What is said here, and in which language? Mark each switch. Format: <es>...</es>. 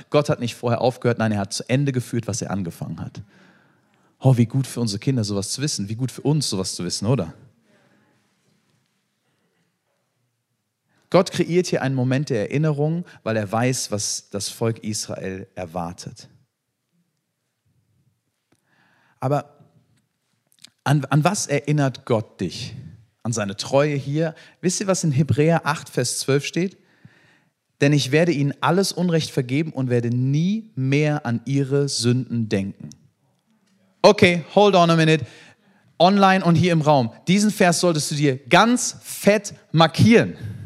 <de>Gott hat nicht vorher aufgehört, nein, er hat zu Ende geführt, was er angefangen hat. Oh, wie gut für unsere Kinder, sowas zu wissen. Wie gut für uns, sowas zu wissen, oder? Gott kreiert hier einen Moment der Erinnerung, weil er weiß, was das Volk Israel erwartet. Aber an was erinnert Gott dich? An seine Treue hier? Wisst ihr, was in Hebräer 8, Vers 12 steht? Denn ich werde ihnen alles Unrecht vergeben und werde nie mehr an ihre Sünden denken.</de> <en>Okay, hold on a minute.</en> <de>Online und hier im Raum. Diesen Vers solltest du dir ganz fett markieren.</de>